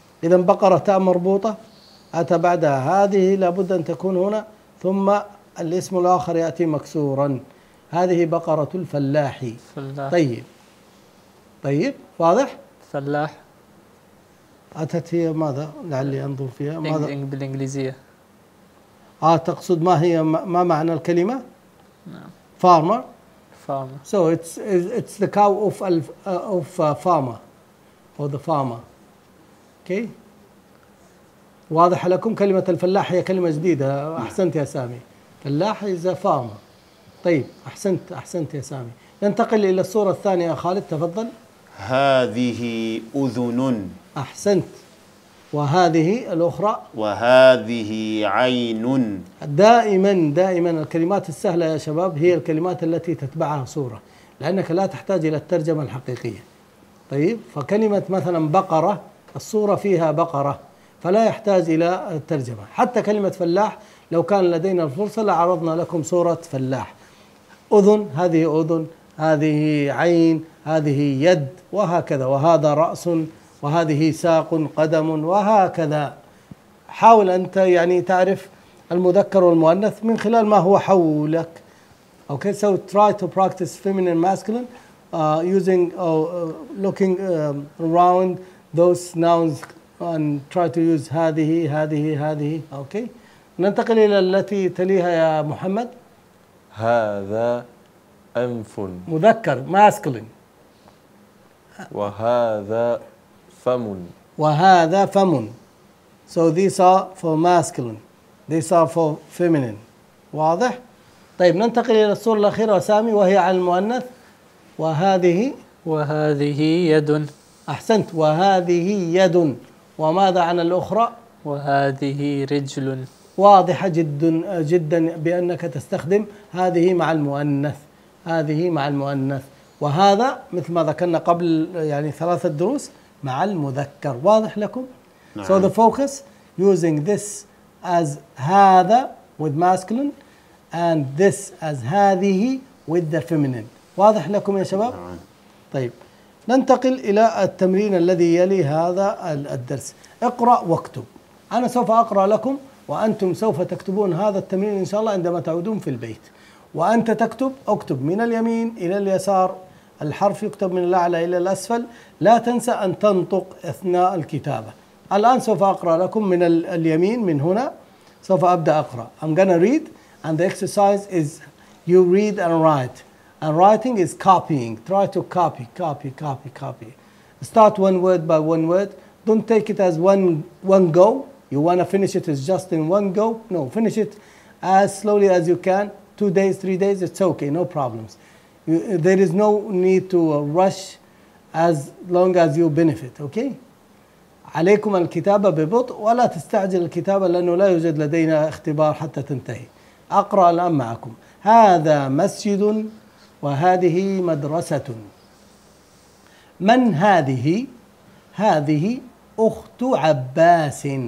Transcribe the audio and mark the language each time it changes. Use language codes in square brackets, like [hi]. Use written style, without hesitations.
[ar] إذن بقرة تاء مربوطة أتى بعدها هذه, لابد أن تكون هنا, ثم الاسم الآخر يأتي مكسورا. هذه بقرة الفلاح. طيب طيب واضح؟ فلاح. أتت هي ماذا؟ لعلي أنظر فيها. ماذا؟ بالإنجليزية. تقصد ما هي ما معنى الكلمة؟ نعم. [en] Farmer. Farmer. So it's the cow of farmer or the farmer. Okay. [ar] واضح لكم كلمة الفلاح هي كلمة جديدة. أحسنت يا سامي. [en] فلاح is a farmer. [ar] طيب أحسنت يا سامي. ننتقل إلى الصورة الثانية يا خالد تفضل. هذه أذن. أحسنت. وهذه الأخرى. وهذه عين. دائما الكلمات السهلة يا شباب هي الكلمات التي تتبعها صورة لأنك لا تحتاج إلى الترجمة الحقيقية. طيب فكلمة مثلا بقرة الصورة فيها بقرة فلا يحتاج إلى الترجمة. حتى كلمة فلاح لو كان لدينا الفرصة لعرضنا لكم صورة فلاح. أذن هذه أذن، هذه عين، هذه يد، وهكذا، وهذا رأس، وهذه ساق، قدم، وهكذا. حاول أنت يعني تعرف المذكر والمؤنث من خلال ما هو حولك. [en] Okay, so try to practice feminine and masculine using looking around those nouns and try to use هذه هذه هذه. Okay. [ar] ننتقل إلى التي تليها يا محمد. هذا أنف. مذكر ماسكولين. وهذا فم. وهذا فم. [en] So these are for masculine. These are for feminine. [ar] واضح؟ طيب ننتقل إلى الصورة الأخيرة سامي وهي عن المؤنث. وهذه. وهذه يد. أحسنت. وهذه يد. وماذا عن الأخرى؟ وهذه رجل. واضحة جدا بأنك تستخدم هذه مع المؤنث. هذه مع المؤنث، وهذا مثل ما ذكرنا قبل يعني ثلاثة دروس مع المذكر. واضح لكم؟ نعم. [en] So the focus using this as هذا with masculine and this as هذه with the feminine. [ar] واضح لكم يا شباب؟ نعم. طيب ننتقل إلى التمرين الذي يلي هذا الدرس. اقرأ واكتب. أنا سوف أقرأ لكم وأنتم سوف تكتبون هذا التمرين إن شاء الله عندما تعودون في البيت. وأنت تكتب اكتب من اليمين إلى اليسار، الحرف يكتب من الأعلى إلى الأسفل. لا تنسى أن تنطق أثناء الكتابة. الآن سوف أقرأ لكم من اليمين، من هنا سوف أبدأ أقرأ. [en] I'm gonna read and the exercise is you read and write. And writing is copying. Try to copy, copy, copy, copy. Start one word by one word. Don't take it as one go. You wanna finish it as just in one go. No, finish it as slowly as you can. 2 days, 3 days, it's okay, no problems. There is no need to rush as long as you benefit, okay? [ar] عليكم الكتابة ببطء ولا تستعجل الكتابة لأنه لا يوجد لدينا اختبار حتى تنتهي. أقرأ الآن معكم. هذا مسجد وهذه مدرسة. من هذه؟ هذه أخت عباس.